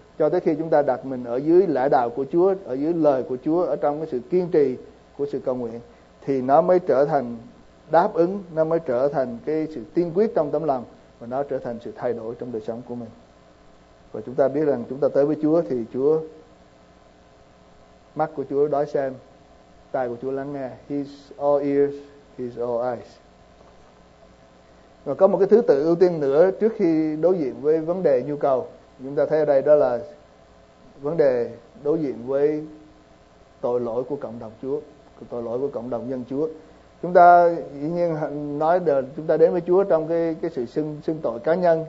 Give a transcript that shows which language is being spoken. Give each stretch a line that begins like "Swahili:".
Vietnamese: Cho tới khi chúng ta đặt mình ở dưới lẽ đạo của Chúa, ở dưới lời của Chúa, ở trong cái sự kiên trì của sự cầu nguyện, thì nó mới trở thành đáp ứng, nó mới trở thành cái sự tiên quyết trong tấm lòng, và nó trở thành sự thay đổi trong đời sống của mình. Và chúng ta biết rằng chúng ta tới với Chúa thì Chúa, mắt của Chúa đói xem, tai của Chúa lắng nghe.
English: He's all ears, he's all eyes.
Vietnamese: Và có một cái thứ tự ưu tiên nữa trước khi đối diện với vấn đề nhu cầu. Chúng ta thấy ở đây đó là vấn đề đối diện với tội lỗi của cộng đồng Chúa, tội lỗi của cộng đồng dân Chúa. Chúng ta dĩ nhiên nói là chúng ta đến với Chúa trong cái sự xưng tội cá nhân.